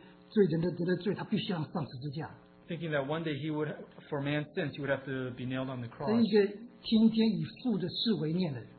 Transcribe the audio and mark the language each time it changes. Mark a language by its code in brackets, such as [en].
[zh] 想到有一天呢，他为那个要为罪人的得了罪，他必须要上十字架。 [en] Thinking that one day he would, for man's sins, he would have to be nailed on the cross. [zh] 一个天天以父的事为念的人。